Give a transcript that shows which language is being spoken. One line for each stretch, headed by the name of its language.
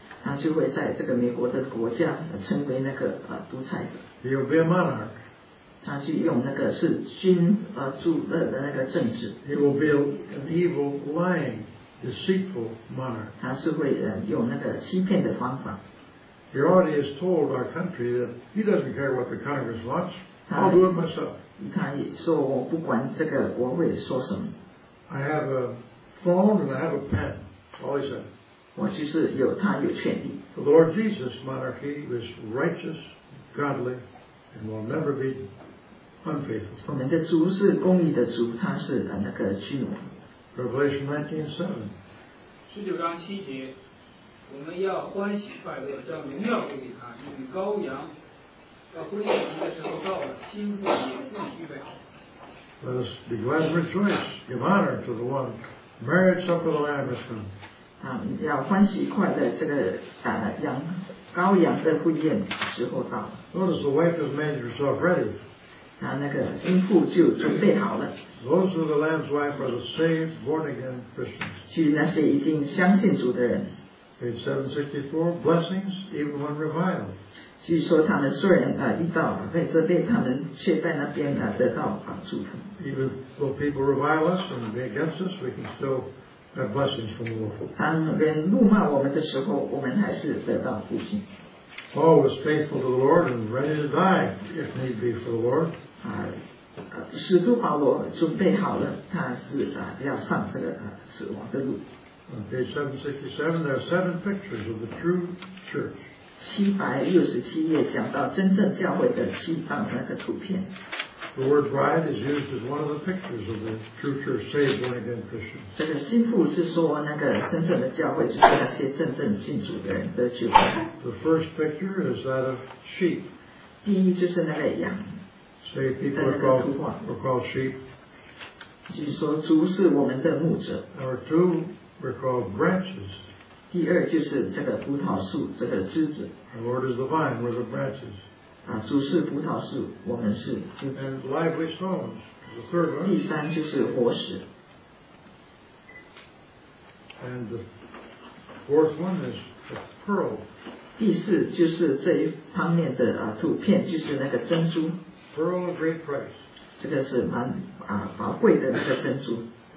Chinese: 他就会在这个美国的国家成为那个独裁者。
English: He will be a monarch.
Chinese: 他去用那个是君主的那个政治。
English: He will be an evil, lying, deceitful monarch.
Chinese: 他是会用那个欺骗的方法。
English: He already has told our country that he doesn't care what the Congress wants. I'll do it myself.
Chinese: 他也说我不管这个国会说什么。
English: I have a phone and I have a pen. All he said.
Chinese: 我其实有他有权利。
English: The Lord Jesus' monarchy was righteous, godly, and will never be unfaithful.
Chinese: 我们的主是公义的主，他是那个君王。
English: Revelation 19:7.
Chinese: 十九章七节，我们要欢喜快乐，叫荣耀归给他，因为羔羊要归给他的时候到了，心腹也自预备好。
English: Let us be glad and rejoice, give honor to the one. Marriage supper of the Lamb has come.
Chinese: 要欢喜快乐，这个羊羔羊的婚宴时候到了。
English: Notice the wife has made herself ready.
Chinese: 他那个新妇就准备好了。
English: Those who are the Lamb's wife are the saved, born again Christians.
Chinese: 去那些已经相信主的人。
English: Page 764, blessings even when reviled.
Chinese: 据说他们虽然遇到在这边，他们却在那边得到祝福。
English: Even though people revile us and be against us, we can still. Have blessings from the Lord.
Chinese: 当人怒骂我们的时候，我们还是得到复兴。
English: Paul was faithful to the Lord and ready to die if need be for the Lord.
Chinese: 使徒保罗准备好了，他是要上这个死亡的路。
English: On page 767, there are seven pictures of the true church.
Chinese: 767页讲到真正教会的七张那个图片。
English: The word bride is used as one of the pictures of the true church saved born again Christian.
Chinese: 这个新妇是说那个真正的教会就是那些真正信主的人的教会。
English: The first picture is that of sheep.
Chinese: 第一就是那个羊。
English: Saved people are called, sheep.
Chinese: 就是说主是我们的牧者。
English: Number two, we're called branches.
Chinese: 第二就是这个葡萄树这个枝子。
English: The Lord is the vine, we're the branches.
Chinese: 主是葡萄树，我们是枝子。
English: And lively stones, the third one.
Chinese: 第三就是活石。
English: And the fourth one is a pearl.
Chinese: 第四就是这一方面的图片，就是那个珍珠。
English: Pearl of great price.
Chinese: 这个是蛮宝贵的那个珍珠。